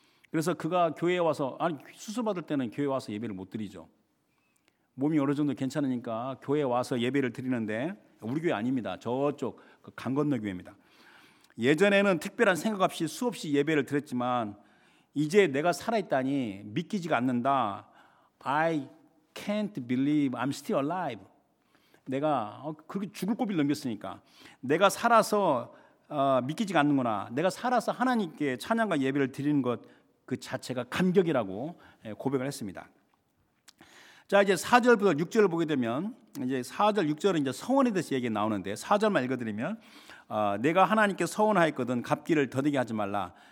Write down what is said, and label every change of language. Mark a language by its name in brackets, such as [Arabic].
[Korean] 그래서 그가 교회에 와서 아니 수술받을 때는 교회에 와서 예배를 못 드리죠. 몸이 어느 정도 괜찮으니까 교회에 와서 예배를 드리는데 우리 교회 아닙니다. 저쪽 그 강 건너 교회입니다. 예전에는 특별한 생각 없이 수없이 예배를 드렸지만 이제 내가 살아있다니 믿기지가 않는다. [English] I can't believe I'm still alive. [Korean] 내가 그렇게 죽을 고비를 넘겼으니까 내가 살아서 믿기지가 않는구나. 내가 살아서 하나님께 찬양과 예배를 드리는 것 그 자체가 감격이라고 고백을 했습니다. 자 이제 4절부터 6절을 보게 되면 이제 4절 6절은 이제 서원에 대해서 얘기 나오는데 4절만 읽어드리면 내가 하나님께 서원하였거든 갚기를 더디게 하지 말라.